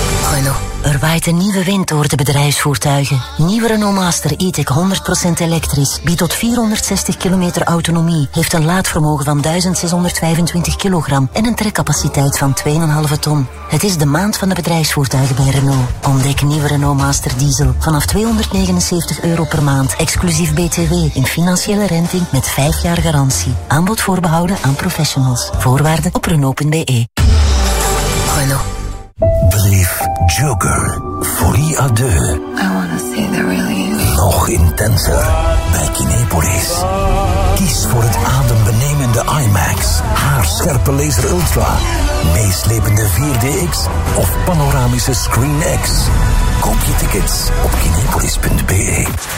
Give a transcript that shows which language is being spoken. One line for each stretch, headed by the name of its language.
Dutch: Hallo, er waait een nieuwe wind door de bedrijfsvoertuigen. Nieuwe Renault Master E-Tech 100% elektrisch, biedt tot 460 km autonomie, heeft een laadvermogen van 1625 kg en een trekcapaciteit van 2,5 ton. Het is de maand van de bedrijfsvoertuigen bij Renault. Ontdek nieuwe Renault Master Diesel vanaf €279 per maand, exclusief BTW, in financiële renting met 5 jaar garantie. Aanbod voorbehouden aan professionals. Voorwaarden op Renault.be. Hallo. Beleef Joker, Folie à deux.
English: I wanna see the real you.
Dutch: Nog intenser bij Kinepolis. Kies voor het adembenemende IMAX, haarscherpe laser ultra, meeslepende 4DX of panoramische Screen X. Koop je tickets op kinepolis.be.